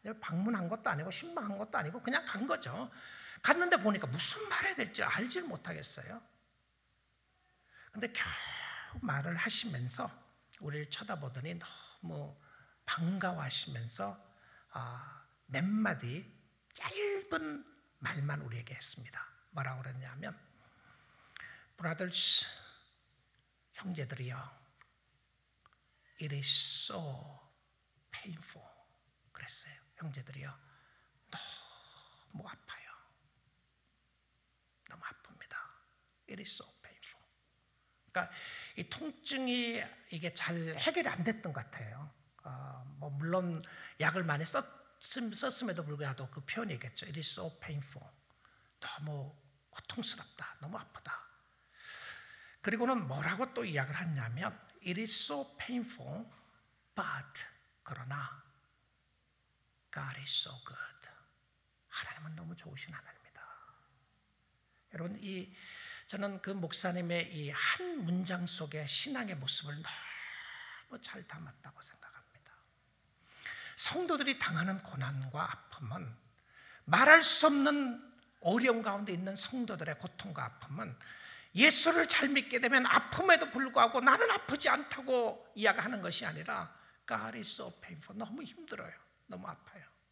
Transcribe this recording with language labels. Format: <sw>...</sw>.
<ko>방문한 것도 아니고 신방한 것도 아니고 그냥 간 거죠. 갔는데 보니까 무슨 말해야 될지 알지를 못하겠어요. 근데 겨우 말을 하시면서 우리를 쳐다보더니 너무 반가워하시면서 몇 마디 짧은 말만 우리에게 했습니다. 뭐라고 그랬냐면</ko> <en>Brothers,</en> <ko>형제들이여,</ko> <en>it is so painful.</en> <ko>그랬어요. 형제들이여, 너무 아파요. 너무 아픕니다.</ko> <en>It is so painful.</en> <ko>그러니까 이 통증이 이게 잘 해결이 안 됐던 것 같아요. 뭐 물론 약을 많이 썼음에도 불구하고 그 표현이겠죠.</ko> <en>It is so painful.</en> <ko>너무 고통스럽다. 너무 아프다. 그리고는 뭐라고 또 이야기를 했냐면</ko> <en>It is so painful, but</en> <ko>그러나</ko> <en>God is so good.</en> <ko>하나님은 너무 좋으신 하나님입니다. 여러분, 이 저는 그 목사님의 이 한 문장 속에 신앙의 모습을 너무 잘 담았다고 생각합니다. 성도들이 당하는 고난과 아픔은 말할 수 없는 어려움 가운데 있는 성도들의 고통과 아픔은 예수를 잘 믿게 되면 아픔에도 불구하고 나는 아프지 않다고 이야기하는 것이 아니라</ko> <en>God is so painful.</en> <ko>너무 힘들어요. 너무 아파요.</ko>